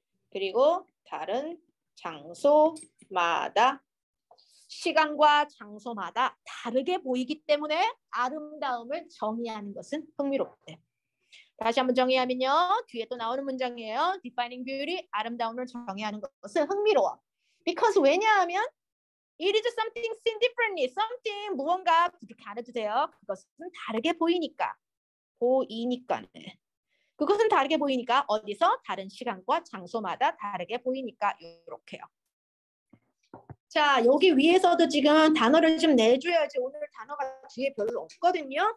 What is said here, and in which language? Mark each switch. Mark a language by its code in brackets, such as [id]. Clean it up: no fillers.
[ko] 그리고 다른 장소마다. 시간과 장소마다 다르게 보이기 때문에 아름다움을 정의하는 것은 흥미롭대. 다시 한번 정의하면요. 뒤에 또 나오는 문장이에요. [en] Defining beauty. [ko] 아름다움을 정의하는 것은 흥미로워. [en] Because [ko] 왜냐하면 [en] It is something seen differently. [ko] Something, 무언가 그렇게 안 해도 돼요. 그것은 다르게 보이니까. 보이니까는. 그것은 다르게 보이니까. 어디서? 다른 시간과 장소마다 다르게 보이니까. 이렇게요. 자, 여기 위에서도 지금 단어를 좀 내줘야지. 오늘 단어가 뒤에 별로 없거든요.